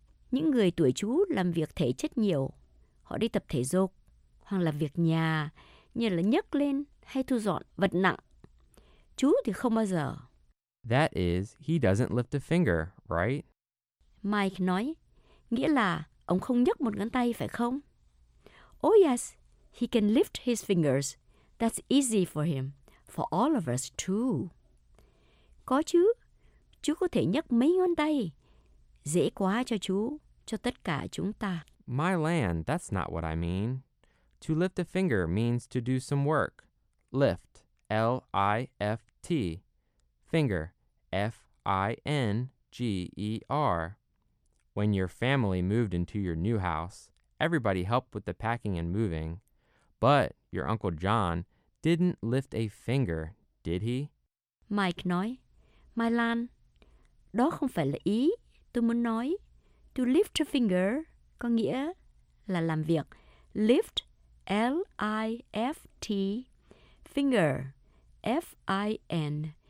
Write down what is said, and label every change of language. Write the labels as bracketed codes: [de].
[vi] Những người tuổi chú làm việc thể chất nhiều. Họ đi tập thể dục, hoặc làm việc nhà, như là nhấc lên hay thu dọn vật nặng. Chú thì không bao giờ. [en] That is, he doesn't lift a finger, right? [vi] Mike nói, nghĩa là ông không nhấc một ngón tay phải không? [en] Oh yes, he can lift his fingers. That's easy for him, for all of us too. [vi] Có chứ, chú có thể nhấc mấy ngón tay. Dễ quá cho chú, cho tất cả chúng ta. [en] My land, that's not what I mean. To lift a finger means to do some work. Lift, L-I-F-T. Finger, F-I-N-G-E-R. When your family moved into your new house, everybody helped with the packing and moving. But your Uncle John didn't lift a finger, did he? [vi] Mike nói, [en] My land, [vi] đó không phải là ý tôi muốn nói. To lift a finger có nghĩa là làm việc. [en] Lift, L-I-F-T, finger, F-I-N-G-E-R.